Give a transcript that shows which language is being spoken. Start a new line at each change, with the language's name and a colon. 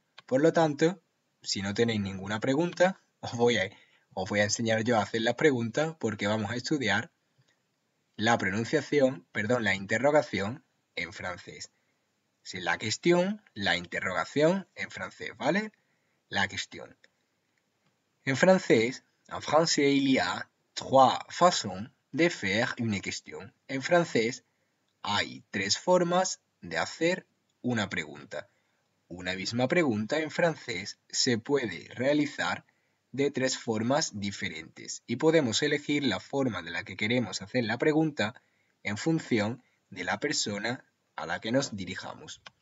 Spanish: Por lo tanto, si no tenéis ninguna pregunta, os voy a enseñar yo a hacer las preguntas porque vamos a estudiar la pronunciación, perdón, la interrogación en francés.
French: Si la question,
Spanish: la interrogación en francés, ¿vale?
French: La question.
Spanish: En francés,
French: en français, il y a trois façons de faire une question.
Spanish: En francés, hay tres formas de hacer una pregunta. Una misma pregunta en francés se puede realizar de tres formas diferentes y podemos elegir la forma de la que queremos hacer la pregunta en función de la persona a la que nos dirijamos.